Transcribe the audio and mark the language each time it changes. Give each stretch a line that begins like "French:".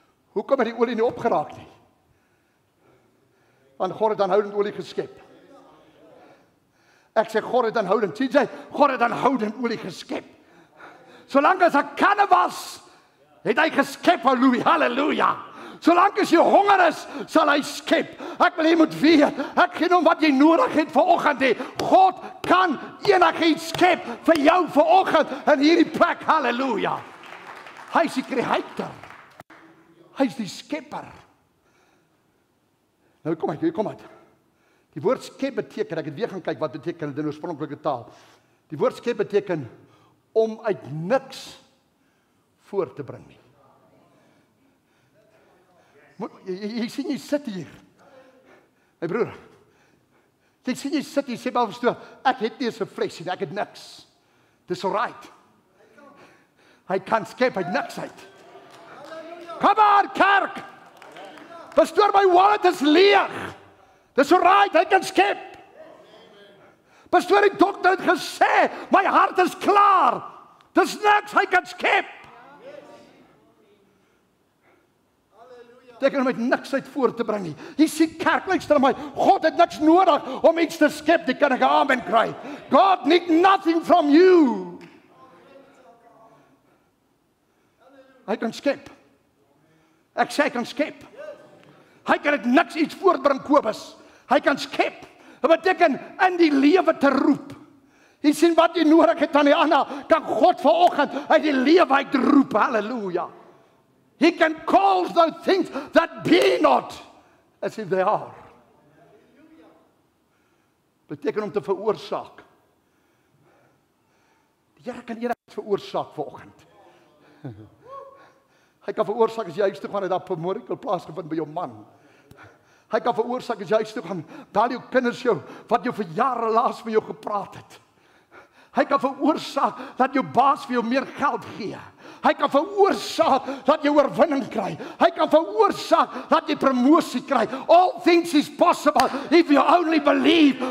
Afrikaans: Hoekom het die olie nie opgeraak nie? Want God het aanhoudend olie geskep. Ek sê God het aanhoudend, sien jy, God het aanhoudend olie geskep. Solank as 'n kanne was, het hy geskep, halleluja. Solank as jy honger is, sal hy skep. Ek wil jy moet weet, ek gee om wat jy nodig het vir oggend. God kan enigiets skep vir jou vir oggend in hierdie plek, halleluja. Hy is die creator. Hy is die skepper. Nou kom uit, kom uit. Die woord skep beteken, ek het weer gaan kyk wat beteken in die oorspronklike taal. Die woord skep beteken om uit niks voor te bring nie. Jy sien jy sit hier. My broer, jy sien jy sit hier, sê my pastoor, ek het nie so'n flesje, ek het niks. Dis alright. Hy kan skep uit niks uit. Kom aan kerk! Pastoor, my wallet is leeg. Dis alright, hy kan skep. Pastoor, die dokter het gesê, my hart is klaar. Dis niks, hy kan skep. Teken om uit niks uit voor te bring nie. Jy sien kerk, luister my, God het niks nodig om iets te skep, die kan ek amen kry.
English: God need nothing from you.
Afrikaans: Hy kan skep. Ek sê, hy kan skep. Hy kan het niks iets voortbring, Kobus. Hy kan skep. Dit beteken in die lewe te roep. Jy sien wat jy nodig het aan die ander, kan God vanoggend uit die lewe uit roep. Halleluja.
English: He can call those things that be not as if they are.
Afrikaans: Beteken om te veroorsaak. Die Here kan enigiets veroorsaak vanoggend. Hy kan veroorsaak as jy huis toe gaan en daar 'n miracle plaasgevind by jou man. Hy kan veroorsaak as jy huis toe gaan, daar jou kinders jou, wat jou vir jare laas met jou gepraat het. Hy kan veroorsaak dat jou baas vir jou meer geld gee. Hy kan veroorsaak dat jy oorwinning kry. Hy kan veroorsaak dat jy promosie kry.
English: All things is possible if you only believe.